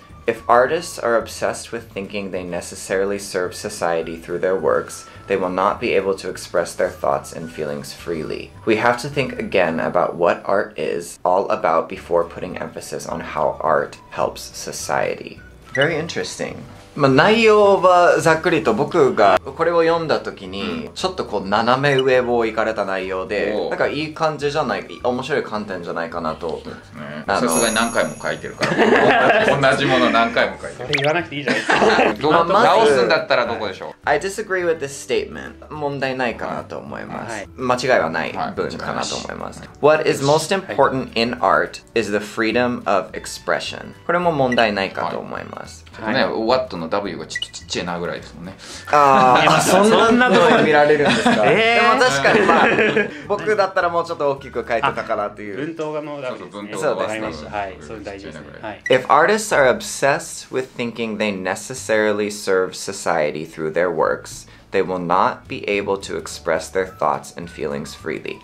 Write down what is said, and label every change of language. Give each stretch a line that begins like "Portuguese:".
English: If artists are obsessed with thinking they necessarily serve society through their works, they will not be able to express their thoughts and feelings freely. We have to think again about what art is all about before putting emphasis on how art helps society. Very interesting.
Japanese: まあ、内容はざっくりと、僕がこれを読んだ時にちょっとこう斜め上を行かれた内容で、なんかいい感じじゃない、面白い観点じゃないかなと。さすがに何回も書いてるから同じもの何回も書いてる。それ言わなくていいじゃないですか。直すんだったらどこでしょう。
English: I disagree with this statement。
Japanese: 問題ないかなと思います、はい、間違いはない文かなと思います、はい、
English: What is most important in art is the freedom of expression。
Japanese: これも問題ないかと思います、はい、ちょっとね、 What の W がちょっとちっちゃいなぐらいですもんね。ああ、そんなどう見られるんですか。ええー、でも確かにまあ僕だったらもうちょっと大きく書いてたかなという。文頭がの W ですね。そうそう、文頭が分かりました。はい、それ大事ですね、はい、
English: If artists are obsessed with thinking they necessarily serve society through their worksThey will not be able to express their thoughts and feelings freely.